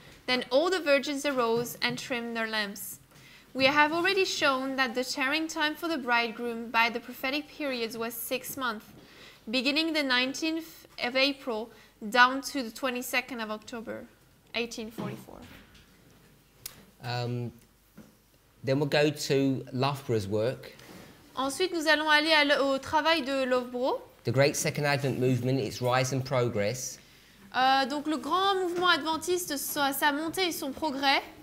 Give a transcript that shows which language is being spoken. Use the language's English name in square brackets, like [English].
[English] Then all the virgins arose and trimmed their lamps. We have already shown that the tarrying time for the bridegroom by the prophetic periods was 6 months, beginning the 19th of April, down to the 22nd of October, 1844. Then we'll go to Loughborough's work. [French] Ensuite, nous allons aller au travail de Loughborough. [English] The great Second Advent movement, its rise and progress. [French] Donc le grand mouvement adventiste, sa montée et son progrès.